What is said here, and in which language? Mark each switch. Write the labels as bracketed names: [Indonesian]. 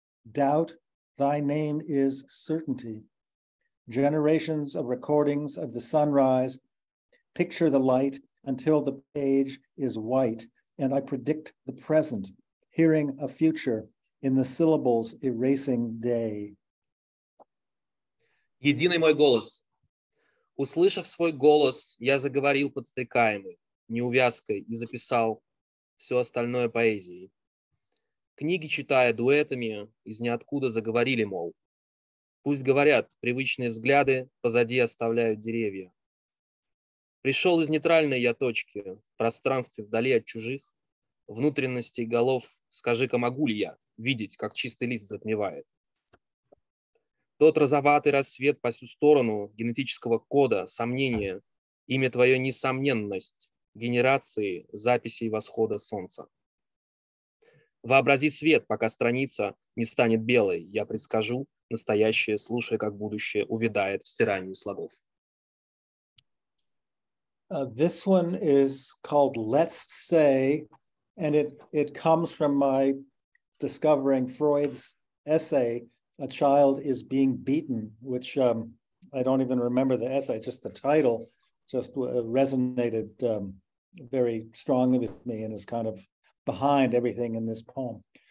[English] Doubt, thy name is certainty. Generations of recordings of the sunrise picture the light until the page is white, and I predict the present, hearing a future in the syllables erasing day. [Russian] Единый мой голос. Услышав свой голос, я заговорил подстрекаемый, неувязкой, и записал все остальное поэзией. Книги, читая дуэтами, из ниоткуда заговорили, мол. Пусть говорят, привычные взгляды позади оставляют деревья. Пришел из нейтральной я точки, в пространстве вдали от чужих, внутренностей голов, скажи-ка, могу ли я видеть, как чистый лист затмевает? Тот розоватый рассвет по всю сторону генетического кода, сомнения, имя твое несомненность, генерации записей восхода солнца. Вообрази свет, пока страница не станет белой, я предскажу настоящее, слушая, как будущее увядает в стирании слогов. [English] This one is called Let's Say, and it comes from my discovering Freud's essay, A Child is Being Beaten, which I don't even remember the essay, just the title just resonated very strongly with me and is kind of behind everything in this poem.